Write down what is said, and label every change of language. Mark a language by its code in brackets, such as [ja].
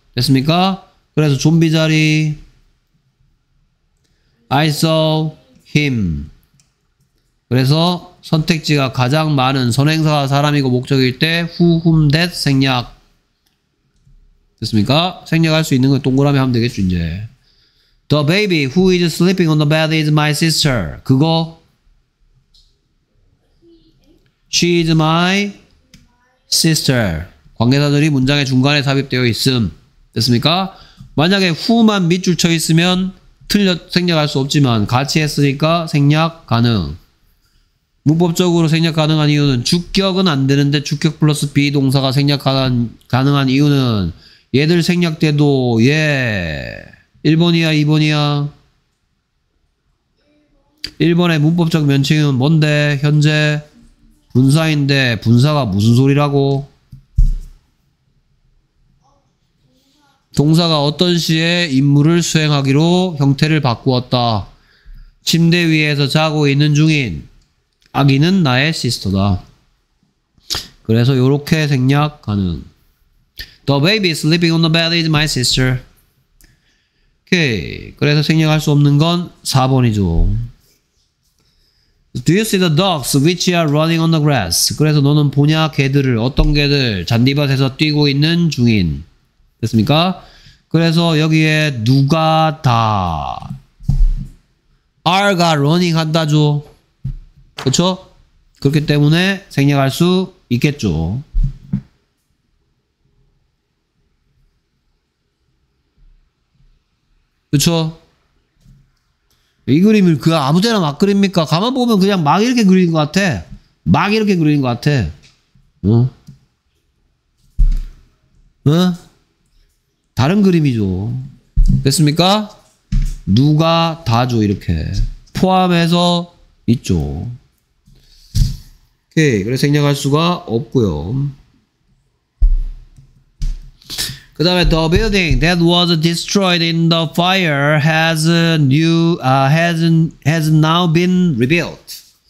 [ko] 됐습니까? 그래서 좀비 자리 [en] I saw him. [ko] 그래서 선택지가 가장 많은 선행사 사람이고 목적일 때 who, whom, that 생략. 됐습니까? 생략할 수 있는 거 동그라미 하면 되겠죠. [en] 이제 the baby who is sleeping on the bed is my sister. 그거 she is my sister. [ko] 관계사들이 문장의 중간에 삽입되어 있음. 됐습니까? 만약에 who만 밑줄 쳐 있으면 틀려 생략할 수 없지만 같이 했으니까 생략 가능. 문법적으로 생략 가능한 이유는 주격은 안 되는데 주격 플러스 be 동사가 생략 가능한 이유는 얘들 생략돼도 얘 1번이야 2번이야 1번의 문법적 명칭은 뭔데? 현재 분사인데 분사가 무슨 소리라고? 동사가 어떤 시에 임무를 수행하기로 형태를 바꾸었다. 침대 위에서 자고 있는 중인 아기는 나의 시스터다. 그래서 요렇게 생략 가능. [en] The baby sleeping on the bed is my sister. [ko] 오케이. 그래서 생략할 수 없는 건 4번이죠. [en] Do you see the dogs which are running on the grass? [ko] 그래서 너는 보냐 개들을. 어떤 개들? 잔디밭에서 뛰고 있는 중인. 됐습니까? 그래서 여기에 누가 다 are가 running 한다죠. 그쵸? 그렇기 때문에 생략할 수 있겠죠. 그쵸? 이 그림을 그 아무데나 막 그립니까? 가만 보면 그냥 막 이렇게 그리는 것 같아. 막 이렇게 그리는 것 같아. 응? 응? 다른 그림이죠. 됐습니까? 누가 다죠, 이렇게. 포함해서 있죠. 오케이. 그래서 생략할 수가 없고요. 그 다음에 [en] the building that was destroyed in the fire has a new has now been rebuilt.